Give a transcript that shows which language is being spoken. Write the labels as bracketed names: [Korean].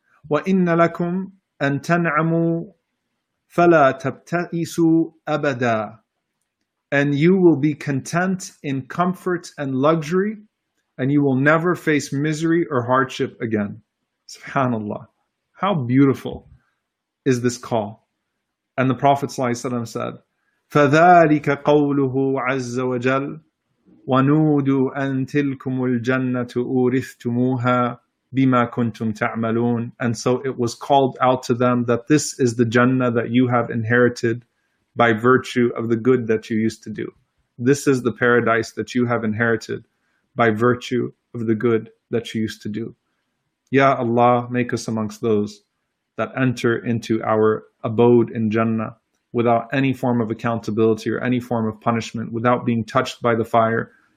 [Arabic] وَإِنَّ لَكُمْ أَن تَنْعَمُوا فَلَا تَبْتَئِسُوا أَبَدًا. [English] And you will be content in comfort and luxury, and you will never face misery or hardship again. SubhanAllah. How beautiful is this call. And the Prophet ﷺ said, [Arabic] فَذَٰلِكَ قَوْلُهُ عَزَّ وَجَلْ وَنُودُوا أَن تِلْكُمُ الْجَنَّةُ أُورِثْتُمُوهَا بِمَا كُنْتُمْ تَعْمَلُونَ. [English] And so it was called out to them that this is the Jannah that you have inherited by virtue of the good that you used to do. This is the paradise that you have inherited by virtue of the good that you used to do. Ya Allah, make us amongst those that enter into our abode in Jannah without any form of accountability or any form of punishment, without being touched by the fire.